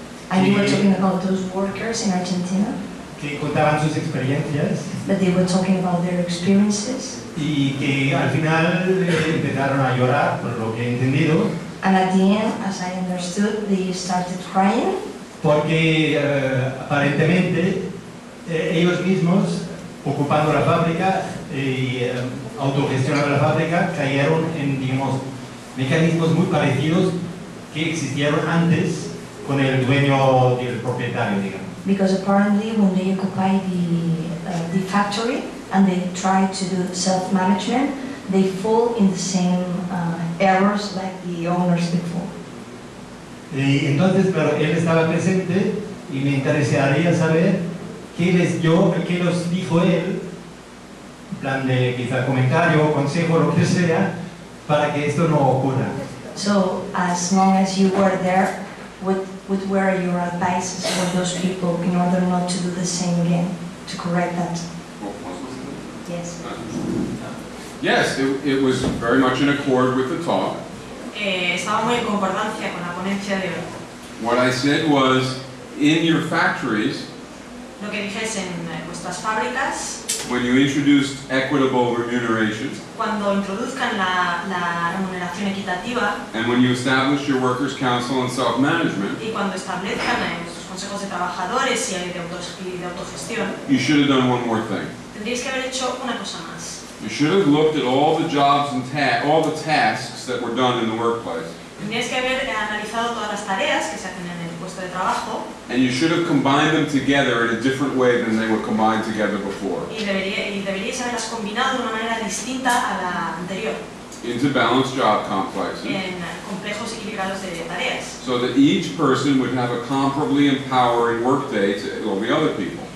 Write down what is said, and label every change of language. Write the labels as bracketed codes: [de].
[en] And you were talking about those workers in Argentina. [es] Que contaban sus experiencias. [en] That they were talking about their experiences. [es] Y que al final empezaron a llorar, por lo que he entendido. [en] And at the end, as I understood, they started crying. [es] Porque aparentemente ellos mismos, ocupando la fábrica y autogestionando la fábrica, cayeron en, digamos, mecanismos muy parecidos que existieron antes con el dueño y el propietario, digamos. [en] Because apparently, when they occupied the factory and they tried to do self-management, they fall in the same errors like the owners before. [es] Y entonces, pero él estaba presente y me interesaría saber qué les dijo él, en plan de quizá comentario, consejo, lo que sea, para que esto no ocurra. [en] So, as long as you were there, what were your advices for those people in order not to do the same again, to correct that? Yes. Yes, it was very much in accord with the talk. [es] Estaba muy en concordancia con la ponencia de hoy. [en] What I said was, in your factories, [es] lo que dije es en vuestras fábricas, [en] when you introduced equitable remuneration, [es] cuando introduzcan la remuneración equitativa, [en] and when you establish your workers' council and self-management, [es] y cuando establezcan sus consejos de trabajadores y de autogestión, [en] you should have done one more thing. [es] Tendríais que haber hecho una cosa más. [en] You should have looked at all the jobs and all the tasks that were done in the workplace. [es] Tienes que haber analizado todas las tareas que se hacen en el puesto de trabajo. [en] And you should have combined them together in a different way than they were combined together before. [es] Y deberíais haberlas combinado de una manera distinta a la anterior. [en] Into balanced job complexes. [es] En complejos equilibrados de tareas. [en] So that each person would have a comparably empowering workday to all the other people.